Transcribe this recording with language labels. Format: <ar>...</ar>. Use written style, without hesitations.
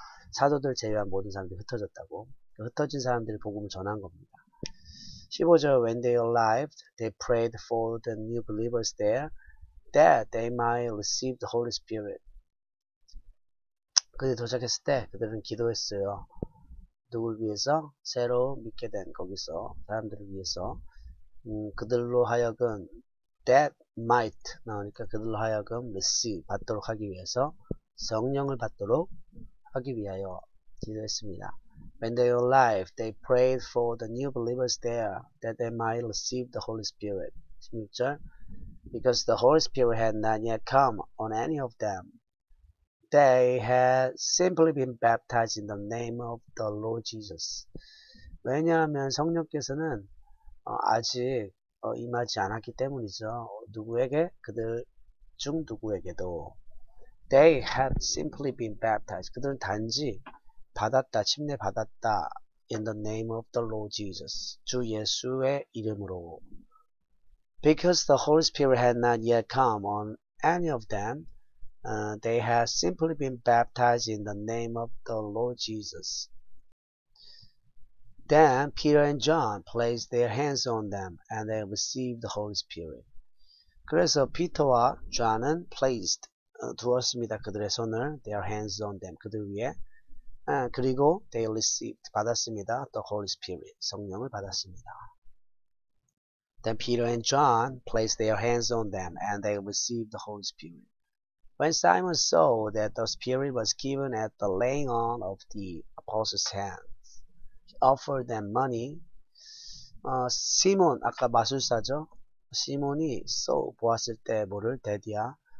<ko>사도들 제외한 모든 사람들이 흩어졌다고. 흩어진 사람들이 복음을 전한 겁니다.</ko> <en>15절, When they arrived, they prayed for the new believers there, that they might receive the Holy Spirit.</en> <ko>그들이 도착했을 때 그들은 기도했어요. 누굴 위해서? 새로 믿게 된 거기서 사람들을 위해서. 그들로 하여금</ko> <en>that might</en> <ko>나오니까 그들로 하여금 receive 받도록 하기 위해서 성령을 받도록 하기 위하여 기도했습니다.</ko> <en>When they arrived, they prayed for the new believers there that they might receive the Holy Spirit.</en> <ko>16절.</ko> <en>Because the Holy Spirit had not yet come on any of them. They had simply been baptized in the name of the Lord Jesus.</en> <ko>왜냐하면 성령께서는 아직 임하지 않았기 때문이죠. 누구에게? 그들 중 누구에게도.</ko> <en>They had simply been baptized.</en> <ko>그들은 단지 받았다, 침례 받았다.</ko> <en>In the name of the Lord Jesus.</en> <ko>주 예수의 이름으로.</ko> <en>Because the Holy Spirit had not yet come on any of them, they had simply been baptized in the name of the Lord Jesus. Then Peter and John placed their hands on them and they received the Holy Spirit.</en> <ko>그래서 피터와 존은</ko> <en>placed,</en> <ko>두었습니다. 그들의 손을,</ko> <en>their hands on them,</en> <ko>그들 위에. 그리고</ko> <en>they received</en> <ko>받았습니다.</ko> <en>The Holy Spirit</en> <ko>성령을 받았습니다.</ko> <en>Then Peter and John placed their hands on them and they received the Holy Spirit. When Simon saw that the Spirit was given at the laying on of the apostles' hands, he offered them money.</en> <ko>시몬 아까 마술사죠. 시몬이 saw 보았을 때 뭐를 대디야?</ko>